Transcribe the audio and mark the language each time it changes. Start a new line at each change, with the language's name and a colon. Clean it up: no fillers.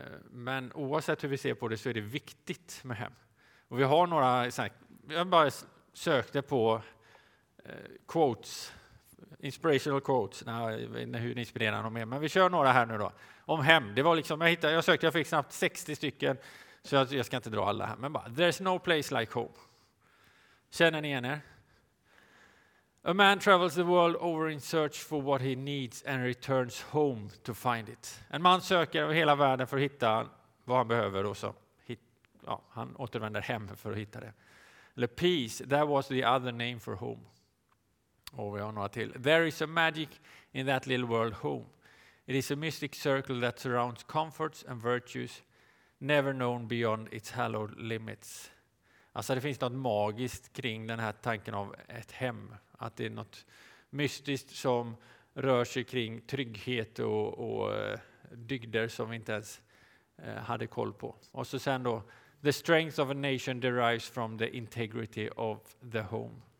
Swedish: Men oavsett hur vi ser på det så är det viktigt med hem. Och vi har några, jag bara sökte på quotes,
English: inspirational quotes,
Swedish: hur inspirerande de är. Men vi kör några här nu då, om hem. Det var liksom, jag fick snabbt 60 stycken, så jag ska inte dra alla här. Men bara,
English: there's no place like home.
Swedish: Känner ni igen er?
English: A man travels the world over in search for what he needs and returns home to find it.
Swedish: En man söker över hela världen för att hitta vad han behöver och så. Ja, han återvänder hem för att hitta det. Eller
English: peace, that was the other name for home.
Swedish: Och vi har några till.
English: There is a magic in that little world home. It is a mystic circle that surrounds comforts and virtues never known beyond its hallowed limits.
Swedish: Alltså det finns något magiskt kring den här tanken av ett hem. Att det är något mystiskt som rör sig kring trygghet och dygder som vi inte ens hade koll på. Och så sen då,
English: the strength of a nation derives from the integrity of the home.